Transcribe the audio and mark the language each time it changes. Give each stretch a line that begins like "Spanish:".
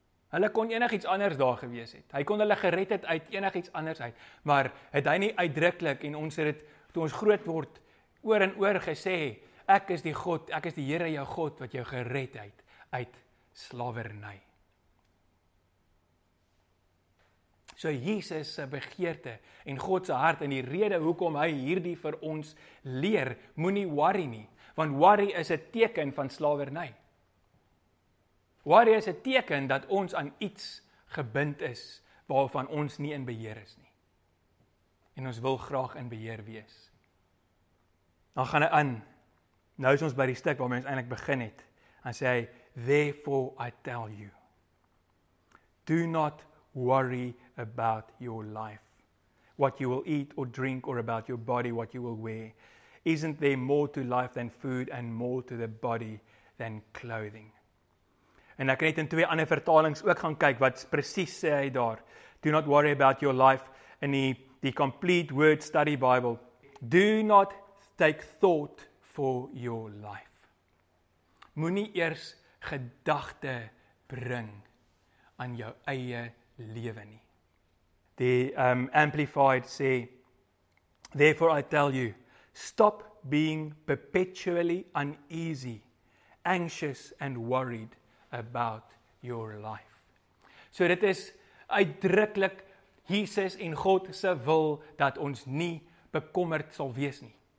Afrikaans: Hulle kon enigiets anders daar gewees het. Hy kon hulle gered het uit enigiets anders uit. Maar het hy nie uitdruklik en ons het dit toe ons groot word oor en oor gesê, ek is die God, ek is die Here jou God wat jou gered het uit slavernij. So Jesus se begeerte en God se hart en die rede hoekom hy hierdie vir ons leer, moenie worry nie, want worry is 'n teken van slavernij. Worry is 'n teken dat ons aan iets gebind is waarvan ons nie in beheer is nie. En ons wil graag in beheer wees. Dan gaan hy aan. Nou is ons by die stuk waarmee ons eintlik begin het.
English: Dan sê hy, "Therefore I tell you, do not worry about your life, what you will eat or drink, or about your body, what you will wear. Isn't there more to life than food and more to the body than clothing?"
Afrikaans: En ek het in twee ander vertalings ook gaan kyk, wat presies sê hy daar.
English: Do not worry about your life.
Afrikaans: In die
English: Complete Word Study Bible, do not take thought for your life.
Afrikaans: Moenie eers gedagte bring aan jou eie lewe nie.
English: The Amplified say, "Therefore I tell you, stop being perpetually uneasy, anxious and worried about your life."
Afrikaans: So dit is uitdruklik Jesus en God se wil dat ons nie bekommerd sal wees nie.